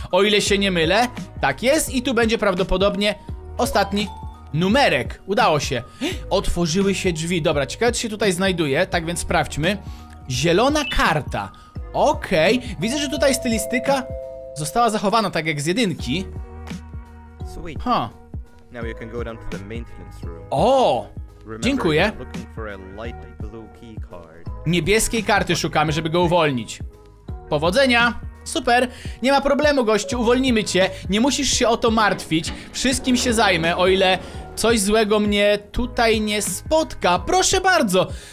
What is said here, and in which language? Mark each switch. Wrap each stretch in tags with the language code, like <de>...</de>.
<pl>O ile się nie mylę, tak jest. I tu będzie prawdopodobnie ostatni numerek. Udało się. Otworzyły się drzwi. Dobra, ciekawe, czy się tutaj znajduje. Tak więc sprawdźmy. Zielona karta. Okej. Widzę, że tutaj stylistyka została zachowana tak jak z jedynki.</pl> <en>Sweet. Now you can go down to the maintenance room.</en> <pl>O! Dziękuję.</pl> <en>Looking for a light blue key card.</en> <pl>Niebieskiej karty szukamy, żeby go uwolnić. Powodzenia! Super, nie ma problemu, gościu, uwolnimy cię. Nie musisz się o to martwić. Wszystkim się zajmę, o ile coś złego mnie tutaj nie spotka. Proszę bardzo.</pl>